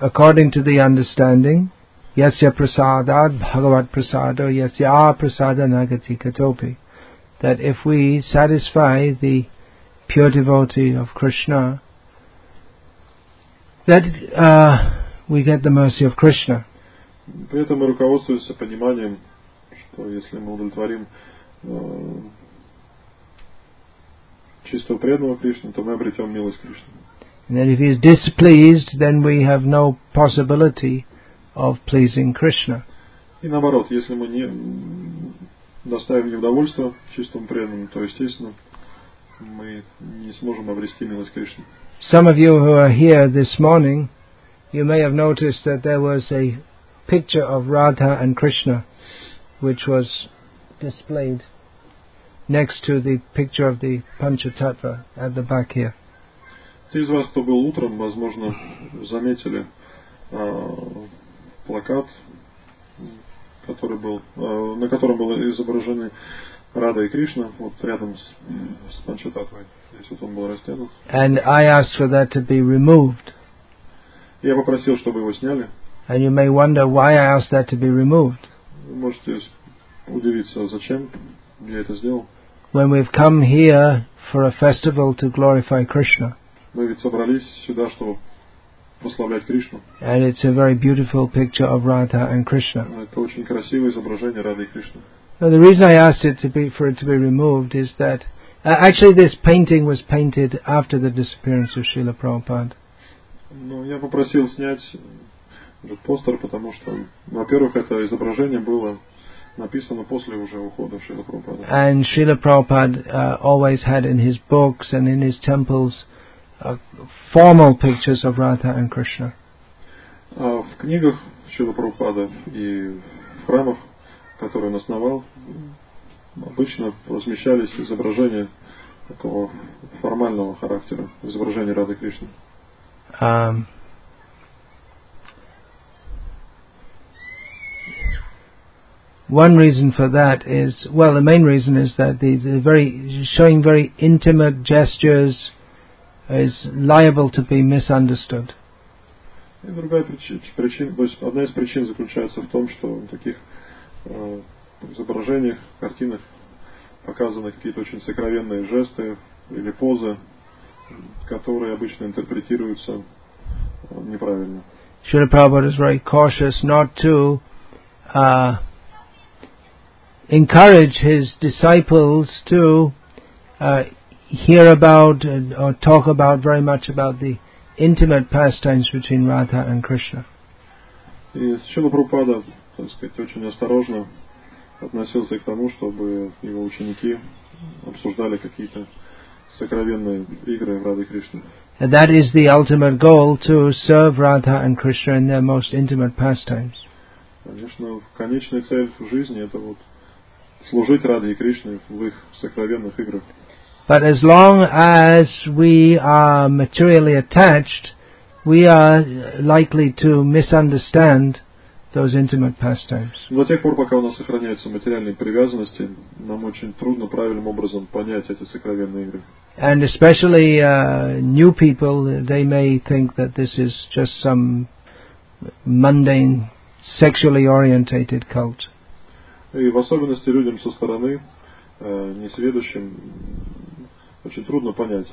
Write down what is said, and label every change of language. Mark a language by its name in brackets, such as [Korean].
[English] According to the understanding, [Sanskrit] yasya prasadad bhagavat prasado yasya prasada nagati katopi, [English] that if we satisfy the pure devotee of Krishna, that we get the mercy of Krishna. [Russian] При этом мы руководствуемся пониманием, что если мы удовлетворим чистого преданного Кришны, то мы обретем милость Кришны. [English] And if he is displeased, then we have no possibility of pleasing Krishna. [Russian] И наоборот, если мы не доставим неудовольство чистому преданному, то естественно мы не сможем обрести милость Кришны. [English] Some of you who are here this morning, you may have noticed that there was a picture of Radha and Krishna, which was displayed next to the picture of the Panchatattva at the back here. [Russian] Те из вас, кто был утром, возможно, заметили плакат, который был, на котором были изображены Рада и Кришна, вот рядом с Панчататвой. Здесь вот он был растянут. [English] And I asked for that to be removed. [Russian] Я попросил, чтобы его сняли. [English] And you may wonder why I asked that to be removed. [Russian] Вы можете удивиться, зачем я это сделал. [English] When we've come here for a festival to glorify Krishna. [Russian] Мы ведь собрались сюда, чтобы прославлять Кришну. [English] And it's a very beautiful picture of Radha and Krishna. [Russian] Это очень красивое изображение Рады и Кришны. [English] Now, the reason I asked it to be, for it to be removed is that actually this painting was painted after the disappearance of Srila Prabhupada. [Russian] Ну, я попросил снять этот постер, потому что, во-первых, это изображение было написано после уже ухода Шрила Прабхупады. [English] And Srila Prabhupada always had in his books and in his temples formal pictures of Radha and Krishna. [Russian] В книгах Шрила Прабхупады и в храмах, которые он основал, обычно размещались изображения такого формального характера, изображения Рады Кришны. [English] One reason for that is, well, the main reason is that these are very showing very intimate gestures is liable to be misunderstood. [Russian] И другая причина, то есть одна из причин заключается в том, что в таких изображениях, картинах показаны какие-то очень сокровенные жесты или позы, которые обычно интерпретируются неправильно. [English] Srila Prabhupada is very cautious not to encourage his disciples to hear about or talk about very much about the intimate pastimes between Radha and Krishna. [Russian] И Шрила Прабхупада, так сказать, очень осторожно относился к тому, чтобы его ученики обсуждали какие-то сокровенные игры в Раде Кришне. [English] And that is the ultimate goal, to serve Radha and Krishna in their most intimate pastimes. [Russian] Конечно, конечная цель в жизни — это вот служить Раде и Кришне в их сокровенных играх. [English] But as long as we are materially attached, we are likely to misunderstand those intimate pastimes. [Russian] До тех пор, пока у нас сохраняются материальные привязанности, нам очень трудно правильным образом понять эти сокровенные игры. [English] And especially new people, they may think that this is just some mundane, sexually orientated cult. [Russian] И в особенности людям со стороны, несведущим, очень трудно понять.